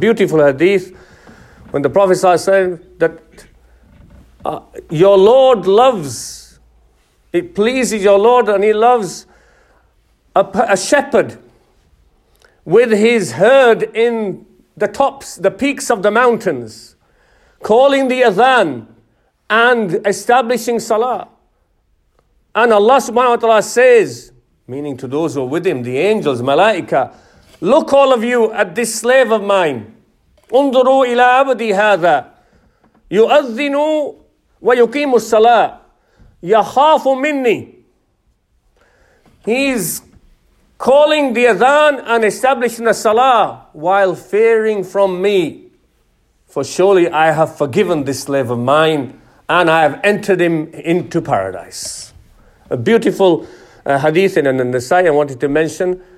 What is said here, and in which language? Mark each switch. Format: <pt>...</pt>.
<en>Beautiful hadith when the Prophet said that your Lord loves, it pleases your Lord, and he loves a shepherd with his herd in the tops, the peaks of the mountains, calling the Adhan, and establishing salah. And Allah subhanahu wa ta'ala says, meaning to those who are with him, the angels, malaika, look all of you at this slave of mine.</en> <ar>انظروا إلى عبدي هذا يؤذن ويقيم الصلاة يخاف مني.</ar> <en>He's calling the adhan and establishing the salah while fearing from me. For surely I have forgiven this slave of mine and I have entered him into paradise. A beautiful hadith in an Nasai I wanted to mention.</en>